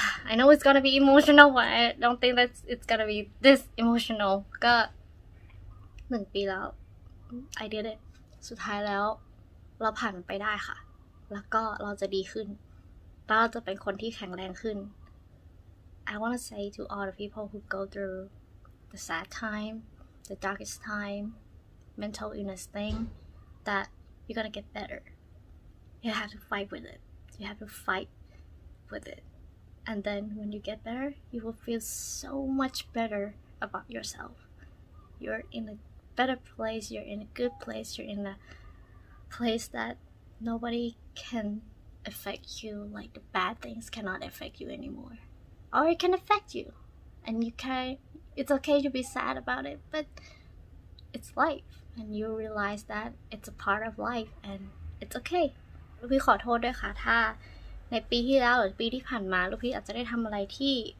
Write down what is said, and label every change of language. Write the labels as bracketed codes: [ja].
[en] I know it's gonna be emotional but I don't think that it's gonna be this emotional [th] ก็หนึ่งปีแล้ว [en] I did it [th] สุดท้ายแล้วเราผ่านไปได้ค่ะแล้วก็เราจะดีขึ้นเราจะเป็นคนที่แข็งแรงขึ้น [en] I want to say to all the people who go through the sad time, the darkest time, mental illness thing, that you're gonna get better. You have to fight with it. You have to fight with it. And then when you get better, you will feel so much better about yourself. You're in a better place, you're in a good place, you're in a place that nobody canaffect you like the bad things cannot affect you anymore or it can affect you and you can it's okay to be sad about it but it's life and you realize that it's a part of life and it's okay [th] ลูกพี่ขอโทษด้วยค่ะถ้าในปีที่แล้วหรือปีที่ผ่านมาลูกพี่อาจจะได้ทำอะไรที่